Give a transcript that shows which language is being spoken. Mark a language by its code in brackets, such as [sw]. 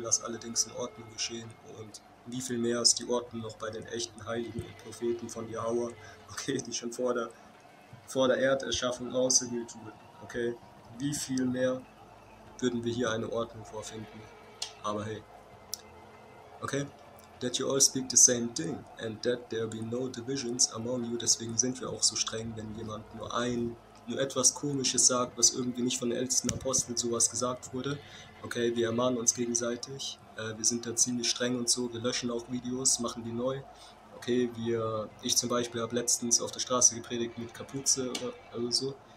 [de] Lass alle Dings in Ordnung geschehen. Und wie viel mehr ist die Ordnung noch bei den echten Heiligen und Propheten von Jahwe, okay, die schon vor der Erderschaffung ausgewählt wurden, okay? Wie viel mehr würden wir hier eine Ordnung vorfinden? Aber hey, okay? [en] That you all speak the same thing and that there be no divisions among you. [de] Deswegen sind wir auch so streng, wenn jemand nur etwas Komisches sagt, was irgendwie nicht von den ältesten Aposteln sowas gesagt wurde. Okay, wir ermahnen uns gegenseitig. Wir sind da ziemlich streng und so. Wir löschen auch Videos, machen die neu. Okay, ich zum Beispiel habe letztens auf der Straße gepredigt mit Kapuze oder so.